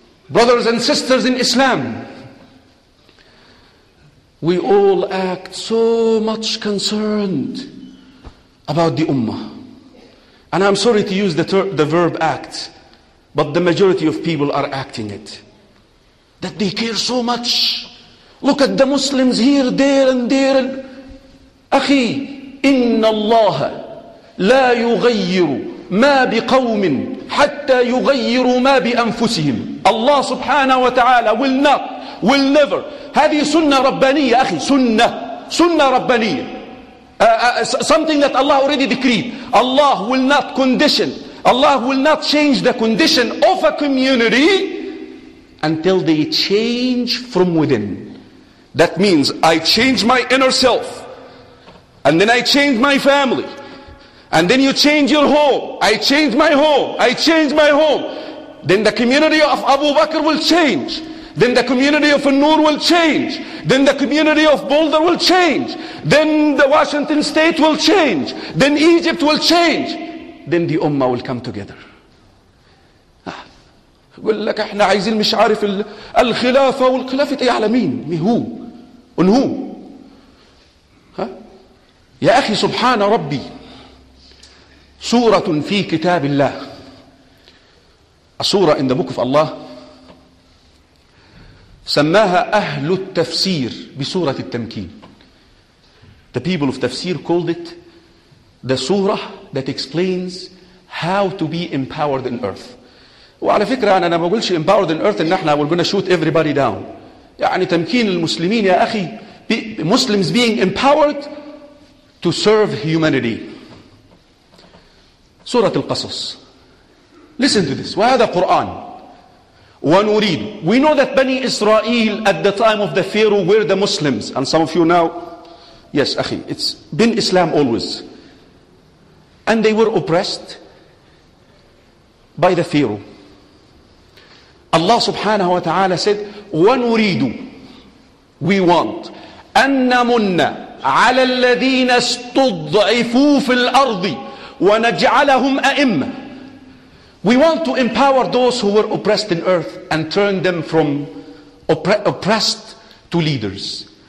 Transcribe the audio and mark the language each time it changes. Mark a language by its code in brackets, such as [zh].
[en] Brothers and sisters in Islam, we all act so much concerned about the ummah. And I'm sorry to use the verb act, but the majority of people are acting it. That they care so much. Look at the Muslims here, there and there. [ar] أخي إن الله لا يغير ما بقوم حتى يغير ما بأنفسهم. [en] الله سبحانه وتعالى will not, will never. [ar] هذه سنة ربانية أخي, سنة, سنة ربانية. [en] Something that Allah already decreed. Allah will not condition, Allah will not change the condition of a community until they change from within. That means I change my inner self, and then I change my family, and then you change your home. I change my home, I change my home. Then the community of Abu Bakr will change. Then the community of An-Nur will change. Then the community of Boulder will change. Then the Washington State will change. Then Egypt will change. Then the Ummah will come together. [ar] يقول لك احنا عايزين مش عارف الخلافة والخلافة يا على مين؟ [en] Who? On whom? [ar] يا أخي سبحان ربي سورة في كتاب الله. [en] A surah in the book of Allah. [ar] سماها أهل التفسير بسورة التمكين. [en] The people of tafsir called it the surah that explains how to be empowered in earth. [ar] وعلى فكرة أنا ما بقولش [en] empowered in earth [ar] إن إحنا [en] we're gonna shoot everybody down. [ar] يعني تمكين المسلمين يا أخي, [en] Muslims being empowered to serve humanity. [ar] سورة القصص. [en] Listen to this. [ar] وهذا قرآن. ونريد. [en] We know that Bani Israel at the time of the Pharaoh were the Muslims. And some of you now, yes, أخي, it's been Islam always. And they were oppressed by the Pharaoh. Allah subhanahu wa ta'ala said, ونريد. We want. [ar] أن نمن على الذين استضعفوا في الأرض ونجعلهم أئمة. [en] We want to empower those who were oppressed in earth and turn them from oppressed to leaders.